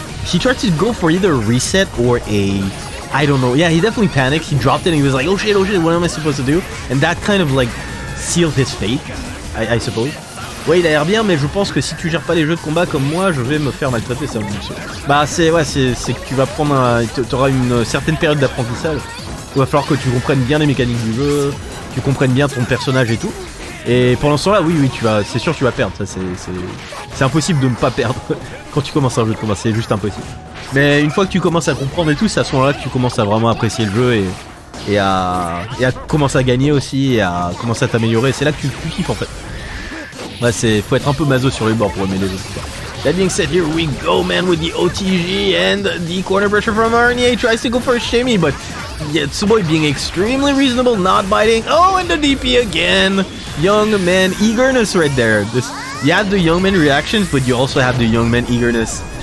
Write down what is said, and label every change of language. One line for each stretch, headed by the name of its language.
English: He tried to go for either a reset or a... I don't know. Yeah, he definitely panicked. He dropped it and he was like, oh shit, what am I supposed to do? And that kind of like sealed his fate, I suppose.
French: Ouais, il a l'air bien, mais je pense que si tu gères pas les jeux de combat comme moi, je vais me faire maltraiter, ça. Bah, c'est que tu vas prendre t'auras une certaine période d'apprentissage. Il va falloir que tu comprennes bien les mécaniques du jeu, tu comprennes bien ton personnage et tout. Et pendant ce temps-là, oui, tu vas perdre. Ça, c'est impossible de ne pas perdre quand tu commences un jeu de combat, c'est juste impossible. Mais une fois que tu commences à comprendre et tout, c'est à ce moment-là que tu commences à vraiment apprécier le jeu et à commencer à gagner aussi et à commencer à t'améliorer. C'est là que tu kiffes en fait. Ouais, c'est faut être un peu maso sur les bords pour aimer les autres.
English: That being said, here we go, man, with the OTG and the corner pressure from Aranea. He tries to go for a shimmy, but yeah, Tsuboi being extremely reasonable, not biting. Oh, and the DP again. Young man eagerness right there. This, you have the young man reactions, but you also have the young man eagerness.